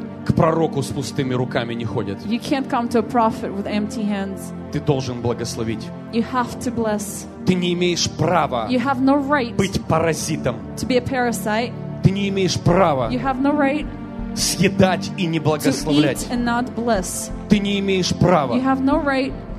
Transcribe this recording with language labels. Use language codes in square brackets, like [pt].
[ru] К пророку с пустыми руками не ходят. [en] You can't come to a prophet with empty hands. [ru] Ты должен благословить. [en] You have to bless. [ru] Ты не имеешь права. [en] You have no right. [ru] Быть паразитом. [en] To be a parasite. [ru] Ты не имеешь права. [en] You have no right. [ru] Съедать и не благословлять. [en] To eat and not bless. [ru] Ты не имеешь права. [en] You have no right.